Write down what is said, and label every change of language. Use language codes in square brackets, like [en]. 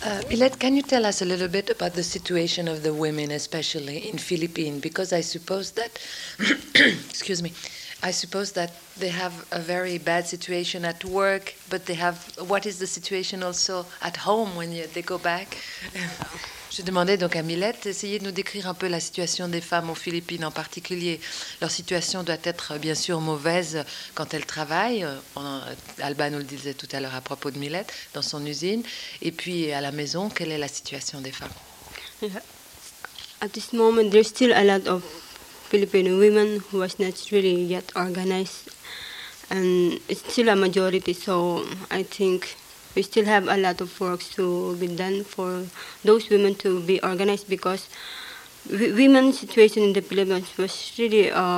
[en] Milette, can you tell us a little bit about the situation of the women, especially in Philippines? Because I suppose that, excuse me, I suppose that they have a very bad situation at work, but they have, what is the situation also at home when they go back? [fr] Je demandais donc à Milette d'essayer de nous décrire un peu la situation des femmes aux Philippines en particulier. Leur situation doit être bien sûr mauvaise quand elles travaillent. Alba nous le disait tout à l'heure à propos de Milette dans son usine. Et puis à la maison, quelle est la situation des femmes? [en] At this moment, there's still a lot of Filipino women who was not really yet organized. And it's still a majority, so I think... We still have a lot of work to be done for those women to be organized because women's situation in the Philippines was really